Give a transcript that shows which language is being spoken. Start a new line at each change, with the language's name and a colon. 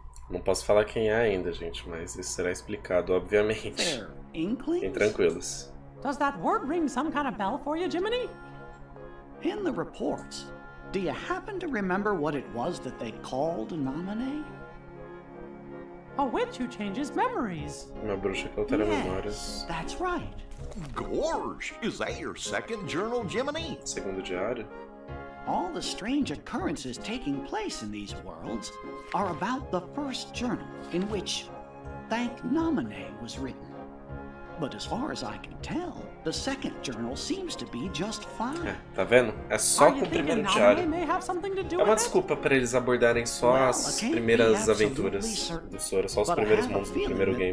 Portuguese: Não posso falar quem é ainda, gente, mas isso será explicado, obviamente.
English: Inklings?
Portuguese: Tranquilos.
English: Does that word ring some kind of bell for you, Jiminy? In the reports, do you happen to remember what it was that they called Nominee? A witch who changes memories.
Portuguese: Uma bruxa que altera memórias.
English: That's right. Gorge, is that your second journal, Jiminy?
Portuguese: Segundo diário.
English: All the strange occurrences taking place in these worlds are about the first journal in which Thank Nominee was written. But as far as I can tell, the second journal seems to be just fine.
Portuguese: É, tá vendo? É só com o primeiro diário. É uma desculpa para eles abordarem só as primeiras aventuras do Sora, só os primeiros mundos do primeiro game.